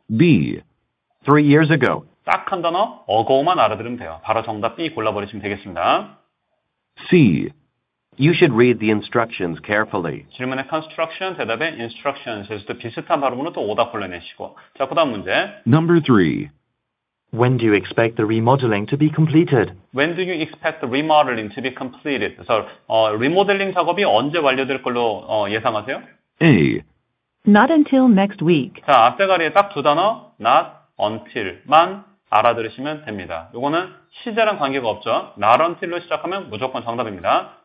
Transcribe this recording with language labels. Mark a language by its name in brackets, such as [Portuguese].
[English] B. Three years ago. [Korean] 딱 한 단어 어거우만 알아들으면 돼요. 바로 정답 B 골라버리시면 되겠습니다. [English] C. You should read the instructions carefully. [Korean] 질문에 construction, 대답에 instructions. 그래서 비슷한 발음으로 또 오답 골라내시고. 자, 그 다음 문제. [English] Number 3. When do you expect the remodeling to be completed? When do you expect the remodeling to be completed? [Korean] 그래서 리모델링 작업이 언제 완료될 걸로 예상하세요? [English] A. Not until next week. [Korean] 자, 앞대가리에 딱 두 단어, not until만 알아들으시면 됩니다. 요거는 시제랑 관계가 없죠. [English] Not until [Korean] 로 시작하면 무조건 정답입니다.